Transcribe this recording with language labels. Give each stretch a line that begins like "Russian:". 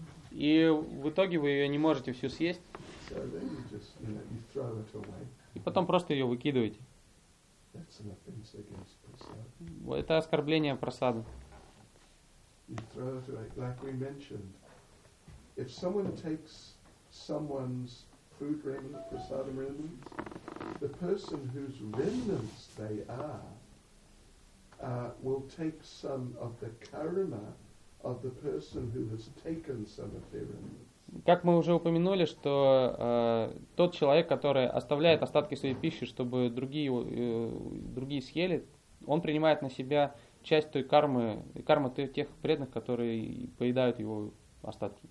Russian: И в итоге вы ее не можете всю съесть.
English: So then you just, you know, you throw it away.
Russian: И потом просто ее выкидываете.
English: That's an offense against prasad.
Russian: Это оскорбление прасада.
English: You throw it away. Like we mentioned, if someone takes someone's food remnants, prasad remnants, the person whose remnants they are will take some of the karma of the person who has taken some appearance.
Russian: Как мы уже упомянули, что тот человек, который оставляет остатки своей пищи, чтобы другие, другие съели, он принимает на себя часть той кармы, кармы тех преданных, которые поедают его остатки.